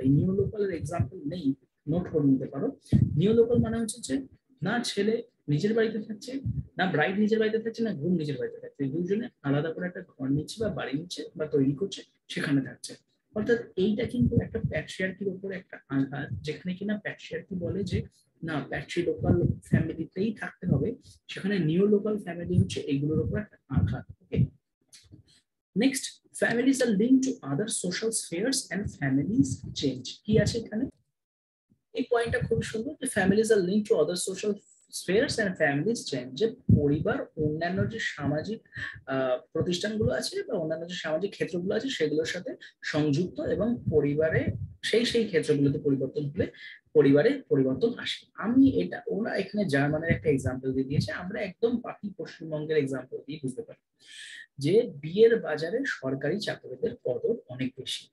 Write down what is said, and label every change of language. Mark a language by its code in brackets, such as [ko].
[bn] এই নিও লোকালের এক্সাম্পল নেই, নোট করে নিতে পারো। নিও লোকাল মানে হচ্ছে যে না ছেলে নিজের বাড়িতে থাকছে, না ব্রাইড নিজের বাড়িতে থাকছে, না গ্রুম নিজের বাড়িতে থাকছে, দুজনে আলাদা করে একটা ঘর নিচ্ছে বা বাড়ি নিচ্ছে বা তৈরি করছে, সেখানে থাকছে। অর্থাৎ এইটা কিন্তু একটা প্যাট্রিয়ার্কির ওপর একটা আঘাত, যেখানে কিনা প্যাট্রিয়ার্কি বলে যে না প্যাট্রিলোকাল ফ্যামিলিতেই থাকতে হবে, সেখানে নিও লোকাল ফ্যামিলি হচ্ছে এইগুলোর ওপর একটা আঘাত। [en] Next, families are linked to other social spheres and families change. [bn] কি আছে এখানে? এই পয়েন্টটা খুব সুন্দর যে [en] families are linked to other social spheres and families change. [bn] পরিবার অন্যান্য যে সামাজিক প্রতিষ্ঠানগুলো আছে বা অন্যান্য যে সামাজিক ক্ষেত্রগুলো আছে সেগুলোর সাথে সংযুক্ত এবং পরিবারে সেই সেই ক্ষেত্রগুলোতে পরিবর্তন হলে পরিবারে পরিবর্তন আসে। আমি এটা ওরা এখানে জার্মানের একটা এক্সাম্পল দিয়ে দিয়েছে, আমরা একদম বাকি পশ্চিমবঙ্গের এক্সাম্পল দিয়ে বুঝতে পারি যে বিয়ের বাজারে সরকারি চাকরিদের কদর অনেক বেশি।